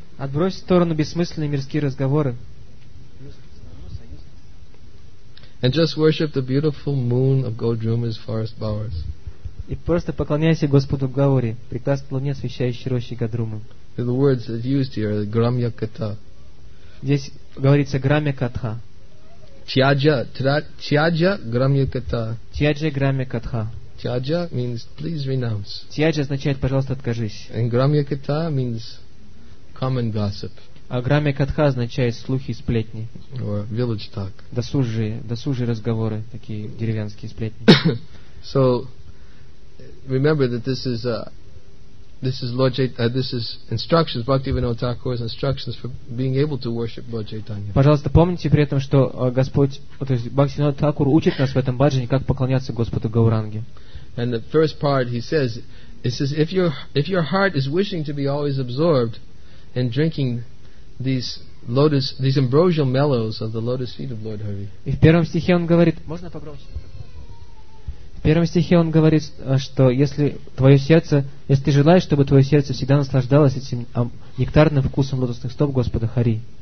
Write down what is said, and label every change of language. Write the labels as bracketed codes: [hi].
[ru] Отбрось в сторону бессмысленные мирские разговоры. [en] And just worship the beautiful moon of Gojruma's forest bowers. [ru] И просто поклоняйся Господу Гаури, прекрасной луне, освещающей рощи Гадрумы. [en] The words that used here, Gramya Katha. [ru] Здесь говорится Грамья Катха. [sa] Тьяджа грамьякатха. Тьяджа грамьякатха. [en] Тьяджа means please renounce. [ru] Тьяджа означает пожалуйста откажись. [en] And грамьякатха means common gossip. [ru] А грамьякатха означает слухи и сплетни. [en] Or village talk. [ru] Досужие разговоры, такие деревенские сплетни. [en] So remember that this is Lord Chaitanya, this is instructions, Bhaktivinoda Thakur's instructions for being able to worship Lord Chaitanya. [ru] Пожалуйста, помните при этом, что Господь, то есть Бхактивинода Такур учит нас в этом баджане, как поклоняться Господу Гауранге. [en] And the first part he says if your heart is wishing to be always absorbed in drinking these ambrosial mellows of the lotus feet of Lord Hari. [ru] И в первом стихе он говорит, можно погромче? В первом стихе он говорит, что если ты желаешь, чтобы твое сердце всегда наслаждалось этим нектарным вкусом лотосных стоп Господа Хари.